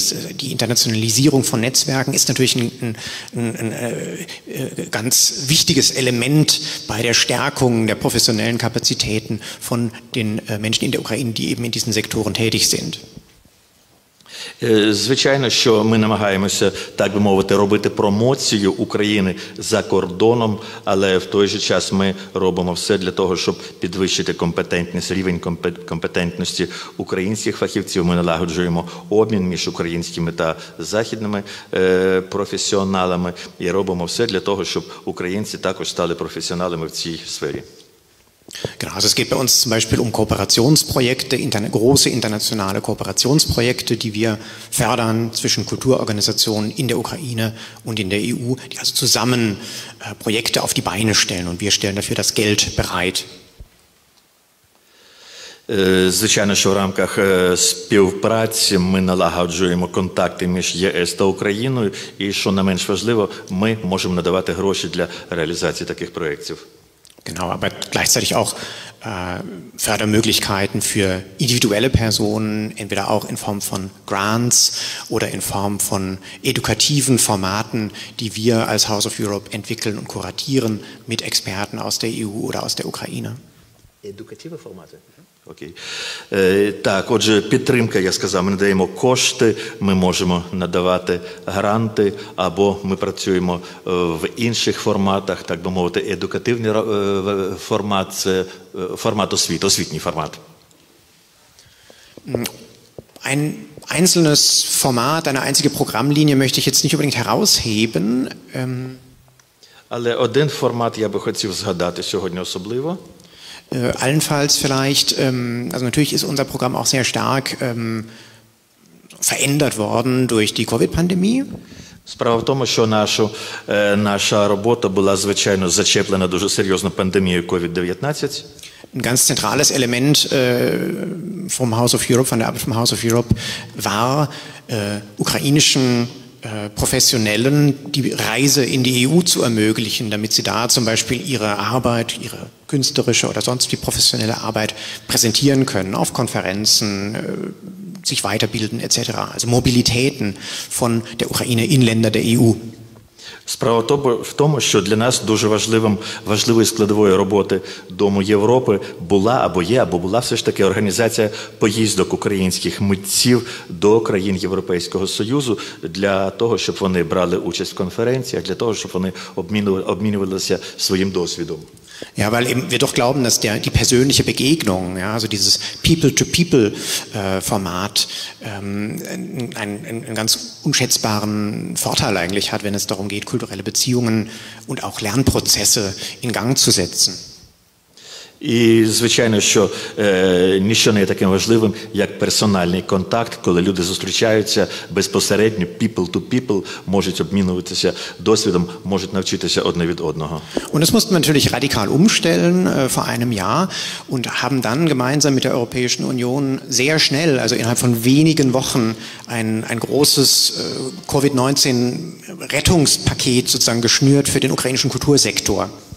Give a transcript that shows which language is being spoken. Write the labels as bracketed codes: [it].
[de] Die Internationalisierung von Netzwerken ist natürlich ein ganz wichtiges Element bei der Stärkung der professionellen Kapazitäten von den Menschen in der Ukraine, die eben in diesen Sektoren tätig sind. [uk] Звичайно, що ми намагаємося, так би мовити, робити промоцію України за кордоном, але в той же час ми робимо все для того, щоб підвищити компетентність, рівень компетентності українських фахівців. Ми налагоджуємо обмін між українськими та західними професіоналами і робимо все для того, щоб українці також стали професіоналами в цій сфері. [de] Genau, also es geht bei uns zum Beispiel um Kooperationsprojekte, große internationale Kooperationsprojekte, die wir fördern zwischen Kulturorganisationen in der Ukraine und in der EU, die also zusammen Projekte auf die Beine stellen und wir stellen dafür das Geld bereit. [uk] Звичайно, що в рамках співпраці ми налагоджуємо контакти між ЄС та Україною і, що не менш важливо, ми можемо надавати гроші для реалізації таких проєктів. [de] Genau, aber gleichzeitig auch Fördermöglichkeiten für individuelle Personen, entweder auch in Form von Grants oder in Form von edukativen Formaten, die wir als House of Europe entwickeln und kuratieren mit Experten aus der EU oder aus der Ukraine. Edukative Formate? Окей. [uk] Так, отже, підтримка, я сказав, ми надаємо кошти, ми можемо надавати гранти, або ми працюємо в інших форматах, так би мовити, едукативний формат, це формат освіти, освітній формат. [de] Ein einzelnes Format, eine einzige Programmlinie möchte ich jetzt nicht unbedingt herausheben. [uk] Але один формат я би хотів згадати сьогодні особливо. [de] Allenfalls vielleicht, also natürlich ist unser Programm auch sehr stark verändert worden durch die Covid-Pandemie. [uk] Справа в тому, що наша робота була, звичайно, зачеплена дуже серйозно пандемією COVID-19. [de] Ein ganz zentrales Element vom House of Europe, von der Arbeit vom House of Europe, war ukrainischen Professionellen die Reise in die EU zu ermöglichen, damit sie da zum Beispiel ihre Arbeit, ihre künstlerische oder sonst wie professionelle Arbeit präsentieren können, auf Konferenzen, sich weiterbilden etc. Also Mobilitäten von der Ukraine in Länder der EU. [uk] Справа в тому, що для нас дуже важливою складовою роботи Дому Європи була або є, або була все ж таки організація поїздок українських митців до країн Європейського Союзу для того, щоб вони брали участь в конференціях, для того, щоб вони обмінювалися своїм досвідом. [de] Ja, weil eben wir doch glauben, dass die persönliche Begegnung, ja, also dieses People-to-People-Format einen ganz unschätzbaren Vorteil eigentlich hat, wenn es darum geht, kulturelle Beziehungen und auch Lernprozesse in Gang zu setzen. [uk] І звичайно, що ніщо не є таким важливим, як персональний контакт, коли люди зустрічаються безпосередньо, people to people, можуть обмінюватися досвідом, можуть навчитися одне від одного. [de] Und das mussten wir natürlich radikal umstellen vor einem Jahr und haben dann gemeinsam mit der Europäischen Union sehr schnell, also innerhalb von wenigen Wochen, ein großes Covid-19-Rettungspaket sozusagen geschnürt für den ukrainischen Kultursektor.